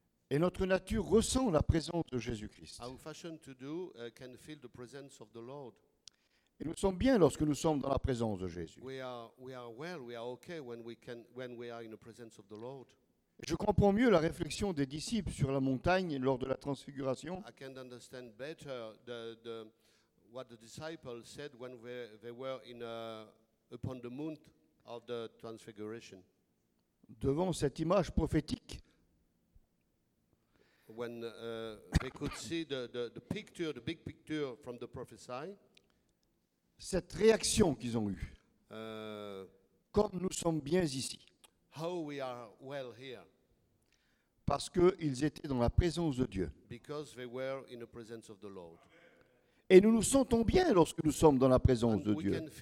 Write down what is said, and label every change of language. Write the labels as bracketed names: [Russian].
[French] Et notre nature ressent la présence de Jésus-Christ. [English] Our fashion to do can feel the presence of the Lord. [French] Et nous sommes bien lorsque nous sommes dans la présence de Jésus. [English] We are well, we are okay when we are in the presence of the Lord. [French] Je comprends mieux la réflexion des disciples sur la montagne lors de la transfiguration. [English] I can understand better what the disciples said when they were in a upon the mount of the transfiguration. [French] Devant cette image prophétique. [English] When they could see the picture, the big picture from the prophecy. [French] Cette réaction qu'ils ont eue. Comme nous sommes bien ici. [English] How we are well here. [French] Parce qu'ils étaient dans la présence de Dieu. [English] Because they were in the presence of the Lord. [French] Et nous nous sentons bien lorsque nous sommes dans la présence de Dieu.